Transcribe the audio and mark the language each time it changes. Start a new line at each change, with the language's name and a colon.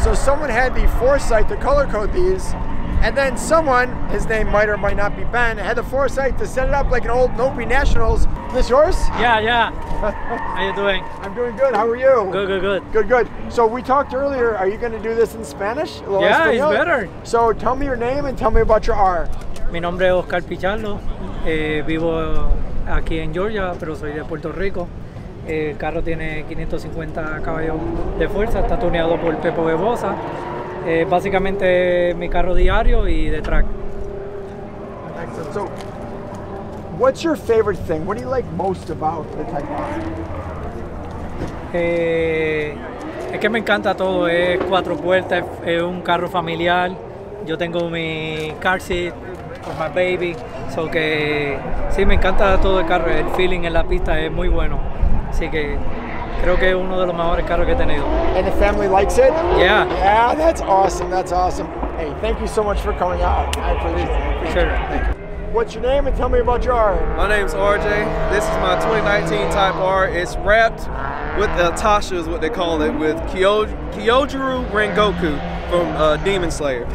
English: So someone had the foresight to color-code these. And then someone, his name might or might not be Ben, had the foresight to set it up like an old Nopi Nationals. Is this yours? Yeah. How you doing? I'm doing good. How are you? Good. So we talked earlier. Are you going to do this in Spanish? Yeah, it's better. So tell me your name and tell me about your R.
Spanish: Mi nombre es Oscar Pichardo. Vivo aquí en Georgia, pero soy de Puerto Rico. El carro tiene 550 caballos de fuerza. Está tuneado por Pepo Bebosa. Básicamente mi carro diario y de track.
English: Excellent. So, what's your favorite thing? What do you like most about the Type R?
Spanish: Es que me encanta todo. Es cuatro puertas, es un carro familiar. Yo tengo mi
English: car seat for my baby.
Spanish: So que sí, me encanta todo el carro. El feeling en la pista es muy bueno. Así que creo que es uno de los mejores carros que he tenido.
English: And the family likes it? Yeah. Yeah, that's awesome. Hey, thank you so much for coming out. I appreciate it. For sure. Thank you. What's your name and tell me about your R? My name's RJ. This is my 2019 Type R. It's wrapped with the Tasha is what they call it, with Kyojuru Rengoku from Demon Slayer.